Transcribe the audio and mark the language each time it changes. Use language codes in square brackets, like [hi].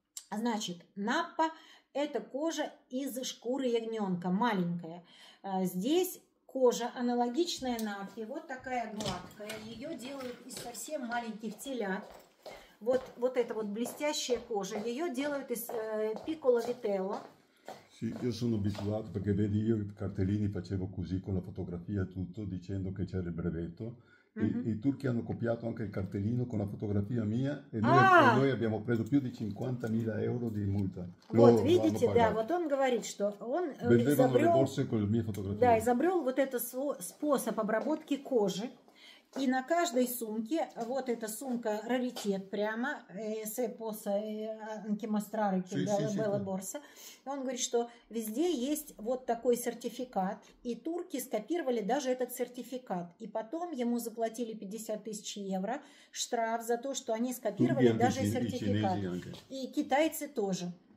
[ru] Значит, наппа — это кожа из шкуры ягненка, маленькая. Здесь кожа аналогичная наппе, вот такая гладкая. Ее делают из совсем маленьких телят. Вот, вот эта вот блестящая кожа. Ее делают из пикколо вителло. [it] Sì, io sono abituato perché vedi io cartellini facevo così con la fotografia tutto dicendo che c'era il brevetto. I turchi hanno copiato anche il cartellino con la fotografia mia e noi abbiamo preso più di 50.000 euro di multa. [ru] Вот видите, да, вот он говорит, что он изобрел вот этот способ обработки кожи, и на каждой сумке, вот эта сумка раритет прямо, [it] se posso anche mostrare che bella borsa, [ru] он говорит, что везде есть вот такой сертификат, и турки скопировали даже этот сертификат, и потом ему заплатили 50 тысяч евро штраф за то, что они скопировали даже сертификат, и китайцы тоже.